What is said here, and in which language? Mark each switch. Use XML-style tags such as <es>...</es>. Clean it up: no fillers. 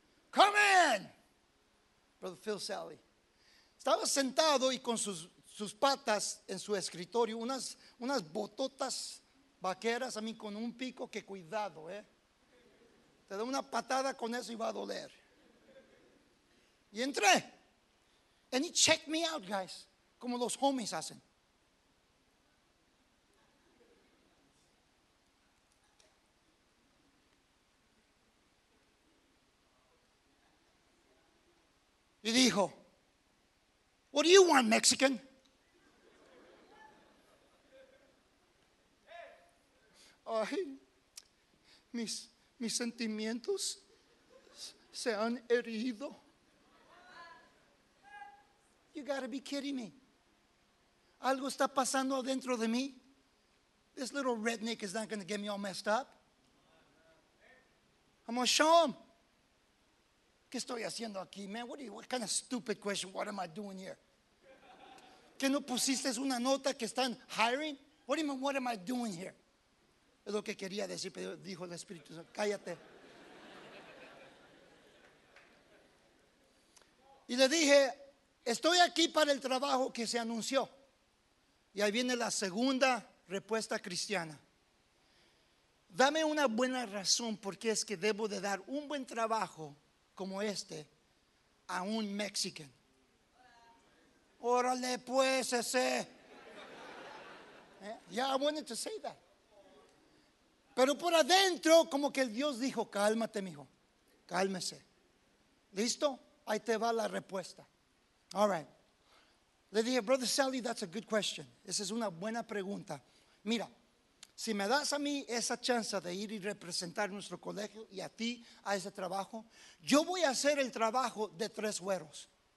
<en>Come in, brother Phil Sally.</en> <es>Estaba sentado y con sus patas en su escritorio, unas bototas vaqueras a mí con un pico, que cuidado, Te da una patada con eso y va a doler. Y entré.</es> <en>And he checked me out, guys.</en> <es>Como los homies hacen. Y dijo, what do you want, Mexican? Ay, mis sentimientos se han herido. You gotta be kidding me. Algo está pasando adentro de mí.</es> <en>This little redneck is not gonna get me all messed up. I'm gonna show him.</en> <es>¿Qué estoy haciendo aquí, man?</es> <en>What kind of stupid question? What am I doing here?</en> <es>¿Qué no pusiste una nota que están hiring? What am I doing here? Es lo que quería decir, pero dijo el Espíritu Santo, cállate. Y le dije, estoy aquí para el trabajo que se anunció. Y ahí viene la segunda respuesta cristiana. Dame una buena razón por qué es que debo de dar un buen trabajo como este a un Mexican. Órale pues ese.</es> <en>Yeah, I wanted to say that.</en> <es>Pero por adentro, como que el Dios dijo, cálmate, mijo, cálmese. ¿Listo? Ahí te va la respuesta. All right.</es> <en>Le dije, Brother Sally, that's a good question.</en> <es>Esa es una buena pregunta. Mira, si me das a mí esa chance de ir y representar nuestro colegio y a ti a ese trabajo, yo voy a hacer el trabajo de tres güeros.</es>